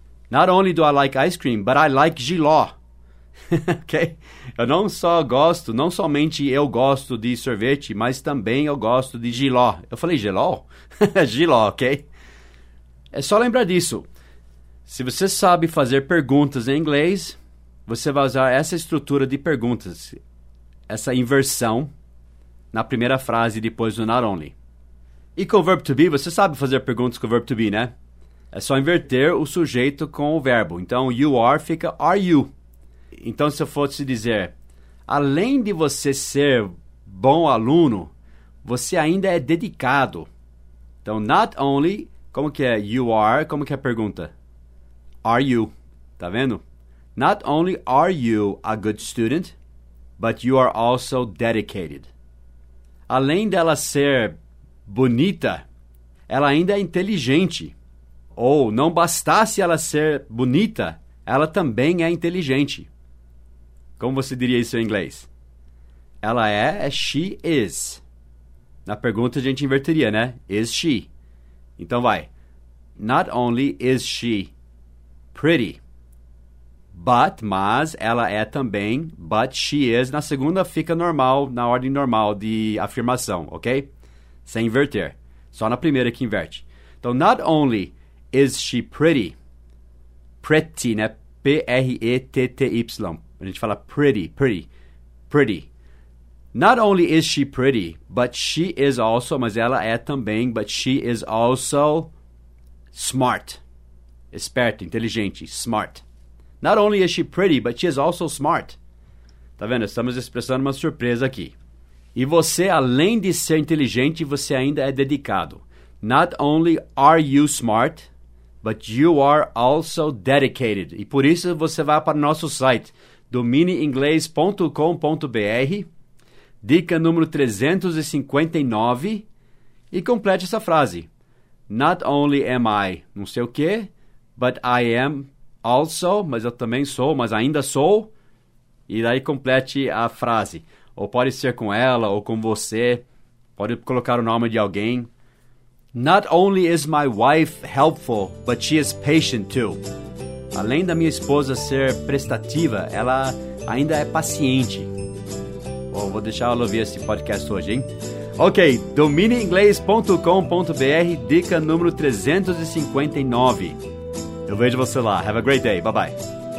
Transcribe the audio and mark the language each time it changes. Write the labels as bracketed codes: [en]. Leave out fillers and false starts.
[en] Not only do I like ice cream, but I like jiló. [pt] Ok? Eu não só gosto... Não somente eu gosto de sorvete, mas também eu gosto de jiló. Eu falei jiló? Jiló, ok? É só lembrar disso. Se você sabe fazer perguntas em inglês, você vai usar essa estrutura de perguntas, essa inversão, na primeira frase depois do not only. E com o verbo to be, você sabe fazer perguntas com o verbo to be, né? É só inverter o sujeito com o verbo. Então, you are fica are you. Então, se eu fosse dizer, além de você ser bom aluno, você ainda é dedicado. Então, not only, como que é you are, como que é a pergunta? Are you, tá vendo? [en] Not only are you a good student, but you are also dedicated. [pt] Além dela ser bonita, ela ainda é inteligente. Ou, não bastasse ela ser bonita, ela também é inteligente. Como você diria isso em inglês? Ela é, she is. Na pergunta, a gente inverteria, né? [en] Is she? [pt] Então, vai. [en] Not only is she pretty, but, [pt] mas, ela é também, [en] but she is. [pt] Na segunda, fica normal, na ordem normal de afirmação, ok? Sem inverter. Só na primeira que inverte. Então, [en] not only is she pretty. Pretty, [pt] né? P-R-E-T-T-Y. A gente fala pretty, pretty, pretty. [en] Not only is she pretty, but she is also, [pt] mas ela é também, [en] but she is also smart. [pt] Esperta, inteligente, [en] smart. Not only is she pretty, but she is also smart. [pt] Tá vendo? Estamos expressando uma surpresa aqui. E você, além de ser inteligente, você ainda é dedicado. [en] Not only are you smart, but you are also dedicated. [pt] E por isso você vai para o nosso site, domineinglês.com.br, dica número 359, e complete essa frase. [en] Not only am I [pt] não sei o quê, [en] but I am also, [pt] mas eu também sou, mas ainda sou. E daí complete a frase. Ou pode ser com ela, ou com você. Pode colocar o nome de alguém. [en] Not only is my wife helpful, but she is patient too. [pt] Além da minha esposa ser prestativa, ela ainda é paciente. Bom, vou deixar ela ouvir esse podcast hoje, hein? Ok, domineinglês.com.br, dica número 359. Eu vejo você lá. [en] Have a great day. Bye-bye.